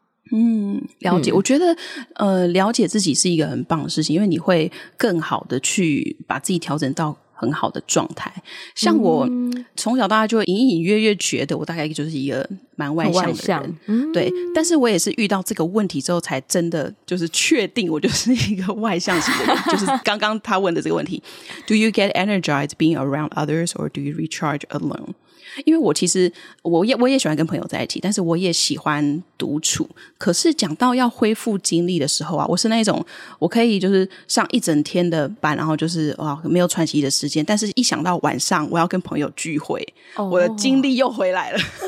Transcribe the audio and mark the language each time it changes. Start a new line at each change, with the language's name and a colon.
Chinese: 嗯，了解。我觉得了解自己是一个很棒的事情，因为你会更好的去把自己调整到很好的状态。像我从小到大就隐隐约约觉得我大概就是一个蛮外向的人，外向。对，但是我也是遇到这个问题之后才真的就是确定我就是一个外向型的人。就是刚刚他问的这个问题。
English: Do you get energized being around others or do you recharge alone?
Chinese: 因为我其实我也喜欢跟朋友在一起，但是我也喜欢独处，可是讲到要恢复精力的时候啊，我是那种我可以就是上一整天的班，然后就是哇没有喘息的时间，但是一想到晚上我要跟朋友聚会，我的精力又回来了。